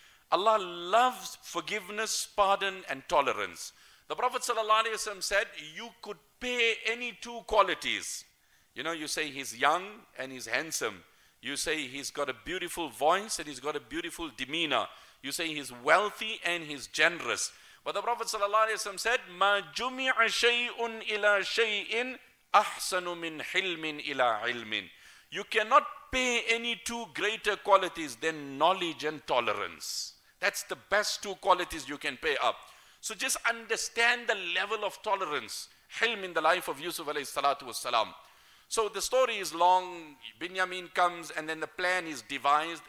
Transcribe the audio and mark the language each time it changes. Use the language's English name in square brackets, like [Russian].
[English] Allah loves forgiveness, pardon, and tolerance. The Prophet sallallahu alayhi wa sallam said, you could pair any two qualities. You know, you say he's young and he's handsome. You say he's got a beautiful voice and he's got a beautiful demeanor. You say he's wealthy and he's generous. But the Prophet sallallahu alayhi wa sallam said, [Arabic] مَا جُمِعَ شَيْءٌ إِلَىٰ شَيْءٍ أَحْسَنُ مِنْ حِلْمٍ إِلَىٰ عِلْمٍ. [English] You cannot pay any two greater qualities than knowledge and tolerance. That's the best two qualities you can pay up. So just understand the level of tolerance, hilm, in the life of Yusuf alayhi salatu wa sallam. So the story is long. Binyamin comes and then the plan is devised.